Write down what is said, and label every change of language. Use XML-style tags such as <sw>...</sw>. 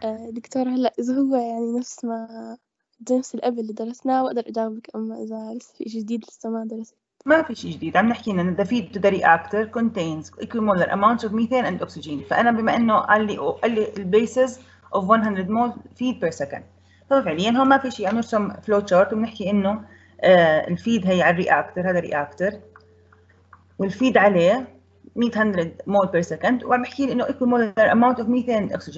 <ar>دكتور هلا اذا هو يعني نفس ما نفس الابل اللي درسناه واقدر اجاوبك، اما اذا لسه في شيء جديد لسه ما درست. ما في شيء جديد، عم نحكي انه</ar> <en>the feed to the reactor contains equimolar amounts of methane and oxygen.</en> <ar>فانا بما انه قال لي البيسز اوف 100 مول فيد بير سكند، ففعليا هون ما في شيء، عم نرسم فلو تشارت وبنحكي انه الفيد هي على الرياكتر، هذا رياكتر والفيد عليه 100 مول بير سكند، وعم بحكي لي انه</ar> <en>equimolar amount of methane and oxygen.</en>